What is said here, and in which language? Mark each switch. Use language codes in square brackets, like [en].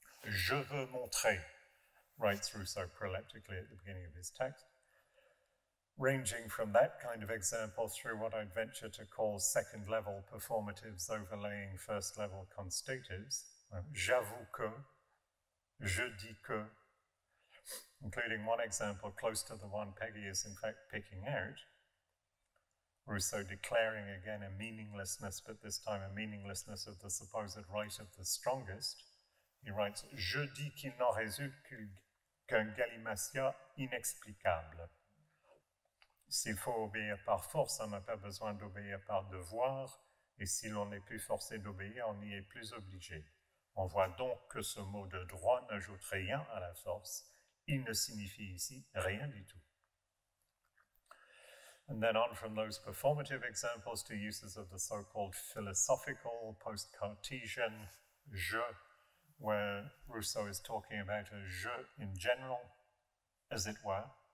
[fr] Je veux montrer, [en] writes Rousseau proleptically at the beginning of his text, ranging from that kind of example through what I'd venture to call second-level performatives overlaying first-level constatives, [fr] j'avoue que, je dis que, [en] including one example close to the one Peggy is in fact picking out, Rousseau declaring again a meaninglessness, but this time a meaninglessness of the supposed right of the strongest. He writes, [fr] je dis qu'il n'en résulte qu'un galimatia inexplicable. S'il faut obéir par force, on n'a pas besoin d'obéir par devoir, et si l'on n'est plus forcé d'obéir, on n'y est plus obligé. On voit donc que ce mot de droit n'ajoute rien à la force, il ne signifie ici rien du tout. [en] And then on from those performative examples to uses of the so-called philosophical post-Cartesian je, where Rousseau is talking about a je in general, as it were.